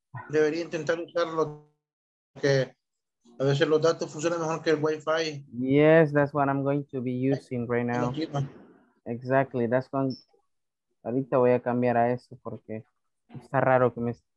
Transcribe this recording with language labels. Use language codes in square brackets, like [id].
[es] Debería intentar usarlo, que a veces los datos funcionan mejor que el Wi-Fi. [en] Yes, that's what I'm going to be using right now. Exactly, that's going. [es] Ahorita voy a cambiar a eso porque está raro que me.